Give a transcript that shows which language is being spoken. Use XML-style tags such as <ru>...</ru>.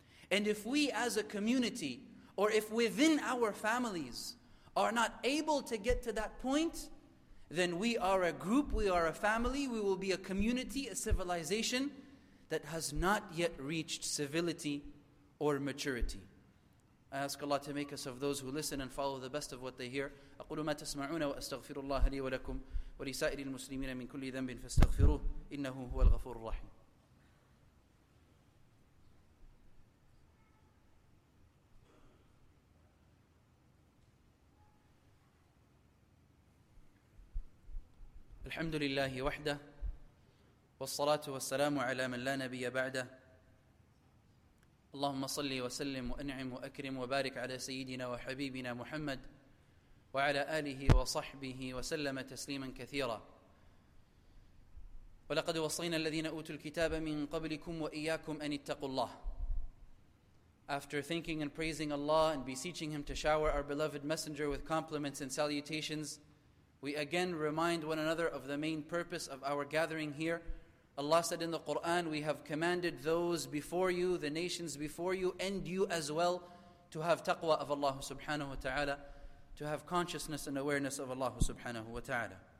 <en>And if we as a community, or if within our families, are not able to get to that point, then we are a group, we are a family, we will be a community, a civilization that has not yet reached civility or maturity. I ask Allah to make us of those who listen and follow the best of what they hear.</en> <ar>أقول ما تسمعون وأستغفر الله لي ولكم ولسائر المسلمين من كل ذنب فاستغفروه إنه هو الغفور الرحيم. الحمد لله وحده والصلاة والسلام على من لا نبي بعده. اللهم صل وسلم وأنعم وأكرم وبارك على سيدنا وحبيبنا محمد وعلى آله وصحبه وسلم تسليما كثيرا. ولقد وصينا الذين أوتوا الكتاب من قبلكم وإياكم أن اتقوا الله.</ar> <en>After thanking and praising Allah and beseeching Him to shower our beloved messenger with compliments and salutations, we again remind one another of the main purpose of our gathering here. Allah said in the Quran, we have commanded those before you, the nations before you, and you as well, to have taqwa of Allah subhanahu wa ta'ala, to have consciousness and awareness of Allah subhanahu wa ta'ala.</en>